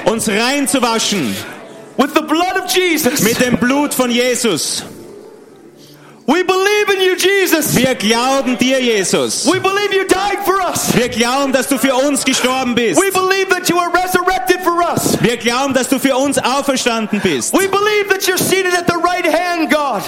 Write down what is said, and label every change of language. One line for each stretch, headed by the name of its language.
German: Uns rein zu waschen.
English: With the blood of Jesus.
German: Mit dem Blut von Jesus.
English: We believe in you, Jesus.
German: Wir glauben dir, Jesus.
English: We believe you died for us.
German: Wir glauben, dass du für uns gestorben bist.
English: We believe that you are resurrected for us.
German: Wir glauben, dass du für uns auferstanden bist.
English: We believe that you're seated at the right hand, God.